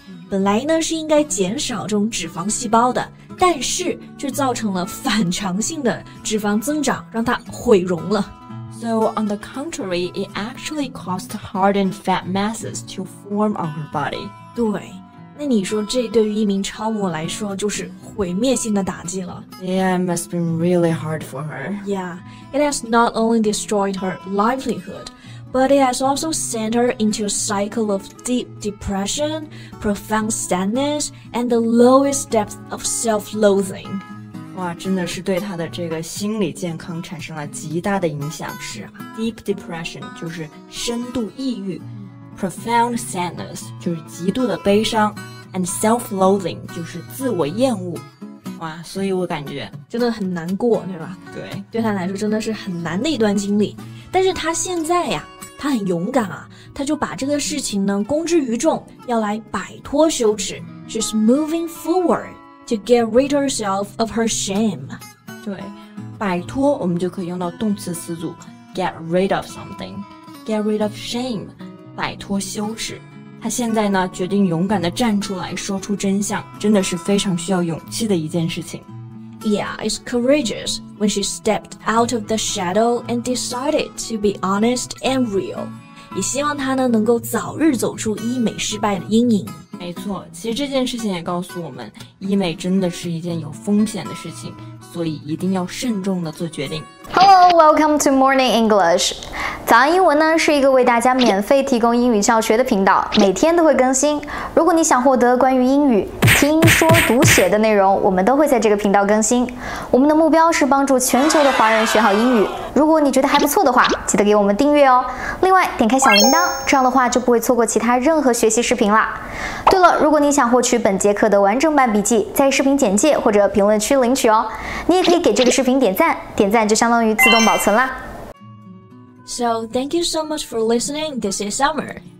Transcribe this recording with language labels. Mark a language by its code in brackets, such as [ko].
[zh] 本来呢是应该减少这种脂肪细胞的，但是却造成了反常性的脂肪增长，让它毁容了。 [en] So on the contrary, it actually caused hardened fat masses to form on her body. [zh] 对，那你说这对于一名超模来说就是毁灭性的打击了。 [en] Yeah, it must have been really hard for her. Yeah, it has not only destroyed her livelihoodBut it has also sent her into a cycle of deep depression, profound sadness, and the lowest depth of self-loathing. [zh] 哇，真的是对她的这个心理健康产生了极大的影响。是啊， [en] deep depression [zh] 就是深度抑郁 ， [en] profound sadness [zh] 就是极度的悲伤 ， [en] and self-loathing [zh] 就是自我厌恶。哇，所以我感觉真的很难过，对吧？对，对她来说真的是很难的一段经历。但是她现在呀。他很勇敢啊，他就把这个事情呢公之于众，要来摆脱羞耻。 [en] She's moving forward to get rid herself of her shame. [zh] 对，摆脱我们就可以用到动词词组 [en] get rid of something, get rid of shame, [zh] 摆脱羞耻。他现在呢决定勇敢地站出来说出真相，真的是非常需要勇气的一件事情。 [en] Yeah, it's courageous when she stepped out of the shadow and decided to be honest and real. [zh] 也希望她呢能够早日走出医美失败的阴影。没错，其实这件事情也告诉我们，医美真的是一件有风险的事情，所以一定要慎重地做决定。 [en] Hello, welcome to Morning English. [zh] 早安英文呢是一个为大家免费提供英语教学的频道，每天都会更新。如果你想获得关于英语听说读写的内容，我们都会在这个频道更新。我们的目标是帮助全球的华人学好英语。如果你觉得还不错的话，记得给我们订阅哦。另外，点开小铃铛，这样的话就不会错过其他任何学习视频啦。对了，如果你想获取本节课的完整版笔记，在视频简介或者评论区领取哦。你也可以给这个视频点赞，点赞就相当于自动保存啦。 [en] So, thank you so much for listening. This is Summer.